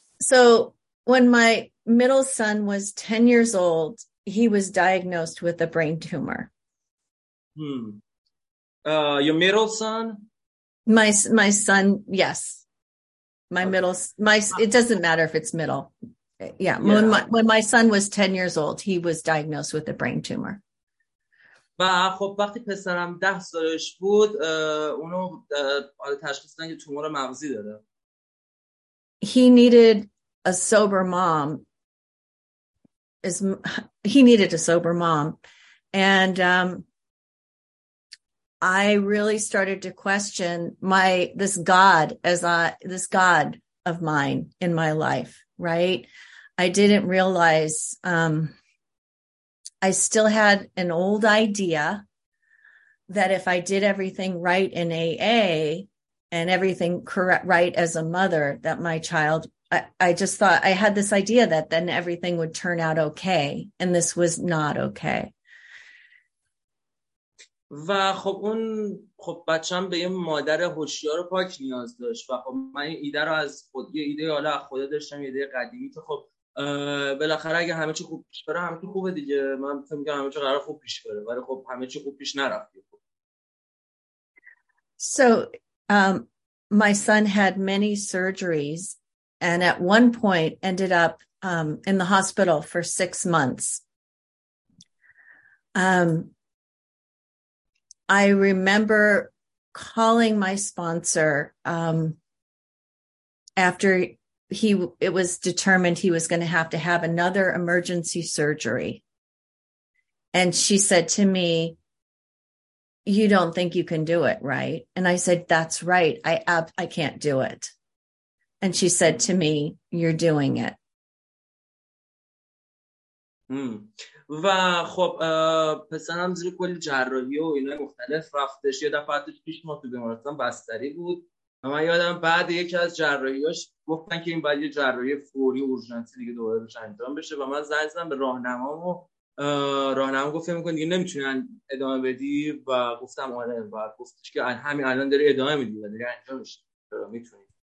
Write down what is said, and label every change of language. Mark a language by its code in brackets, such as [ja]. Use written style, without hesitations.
[en] So when my middle son was 10 years old, he was diagnosed with a brain tumor. Your middle son? My son, yes. My okay. middle, my, it doesn't matter if it's middle. Yeah. When my son was 10 years old, he was diagnosed with a brain tumor. [fa] و خب وقتی پسرم 10 سالش بود اونو تشخیص دادن که تومور مغزی داره. [en] He needed a sober mom. He needed a sober mom. And I really started to question this God of mine in my life, right? I didn't realize I still had an old idea that if I did everything right in AA and everything correct right as a mother, that my child, I just thought I had this idea that then everything would turn out okay. And this was not okay. [fa] و خب اون خب بچه‌م به یه مادر هوشیار و پاک نیاز داشت، و خب من ایده رو از خود یه ایده حالا خود داشتم، یه ایده قدیمی که خب بالاخره اگه همه چی خوب پیش بره همه چی خوبه دیگه، من فکر می‌کنم همه چی قرار خوب پیش بره، ولی خب همه چی خوب پیش نرفت. [en] So my son had many surgeries and at one point ended up in the hospital for 6 months. I remember calling my sponsor after it was determined he was going to have another emergency surgery. And she said to me, "You don't think you can do it, right?" And I said, "That's right. I can't do it." And she said to me, "You're doing it." [fa] و خب پسرم زیر کلی جراحی و اینا مختلف رفتش، یه دفعه حتی پیش ما تو بیمارستان بستری بود، من یادم بعد یکی از جراحیاش گفتن که این باید یه جراحی فوری اورژانسی دیگه دوباره بشه انجام بشه، و من زنگ زدم به راهنمام و راهنمام گفت فکر می‌کنی دیگه نمی‌تونی ادامه بدی، و گفتم آره، و گفتش که همین الان داری ادامه میدی و داری انجام میشه، چرا میتونی.